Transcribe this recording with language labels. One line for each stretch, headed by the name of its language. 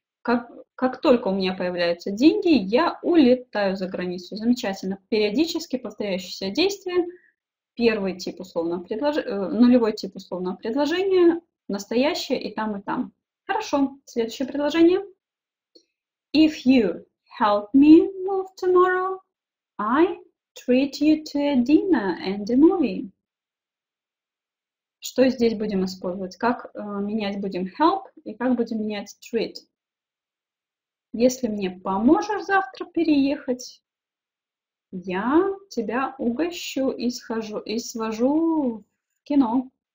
Russian: Как только у меня появляются деньги, я улетаю за границу. Замечательно. Периодически повторяющиеся действия. Первый тип условного предложения, нулевой тип условного предложения, настоящее и там, и там. Хорошо, следующее предложение.
English: If you help me move tomorrow, I treat you to a dinner and a movie.
Russian: Что здесь будем использовать? Как менять будем help и как будем менять treat? Если мне поможешь завтра переехать, я тебя угощу и схожу, и свожу в кино.